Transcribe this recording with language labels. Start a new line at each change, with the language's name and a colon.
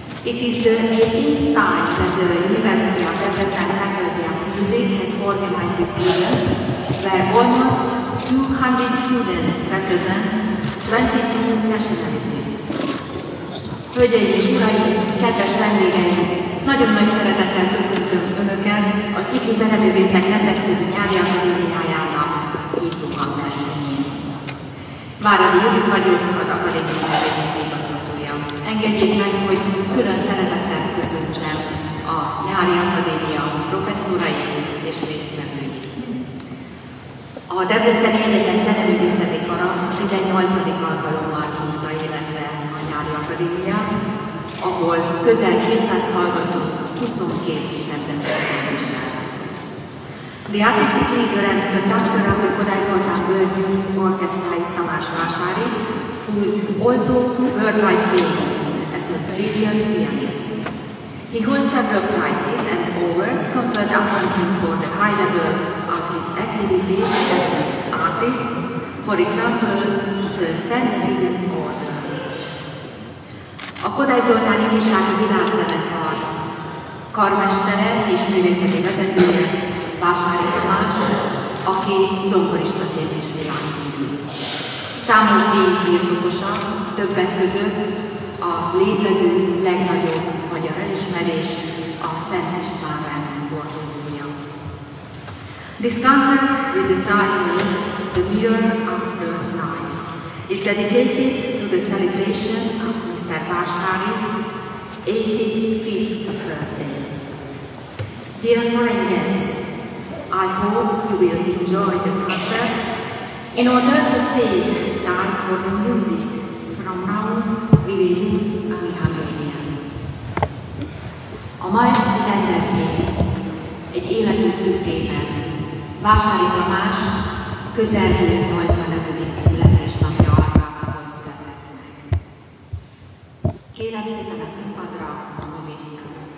English: It is the 18th time that the University of Debrecen Faculty of Music has organized this event, where almost 200 students represent 22 nationalities.
Hungarian: Hölgyeim, uraim, kedves vendégeim, nagyon nagy szeretettel köszöntöm Önöket az IKU Zeneművészek Nemzetközi Nyári Akadémiájának IKU versenyén. Váradi Judit vagyok, az Akadémia Nemzetközi igazgatója. Engedjék meg, hogy külön szeretettel köszöntsem a Nyári Akadémia professzorait és résztvevőit. A Debreceni Egyetem Zeneművészeti Kara 18. alkalommal hívta életre a Nyári Akadémiát, ahol közel 200 hallgató 22 nemzetközi ismert.
English: The Artistic League Grand Conductor of the Kodály Zoltán World Youth Orchestra is Tamás Vásári, who is also world-like famous as a Peruvian pianist. He holds several prizes and awards conferred upon him for the high level of his activities as an artist, for example, the Saint Stephen Order.
Hungarian: A Kodály Zoltán Ifjúsági Világzenekar karmestere és művészeti vezetője Vásári Tamás, aki zongoristaként is világhírű. Számos díjbirtokosa, többek között a létező legnagyobb magyar elismerés a Szent István rendben hordozója.
English: This concert with the title The Mirror of the Life is dedicated to the celebration of Mr. Vásári's 85th birthday. Dear foreign guests, I hope you will enjoy the concert in order to save time for the music. From now on, we will use only Hungarian.
Hungarian: A ma esti rendezvény egy életünk tükrében Vásári Tamás közel 85. születésnapja alkalmával született meg. Kérem szépen a színpadra a művészeket.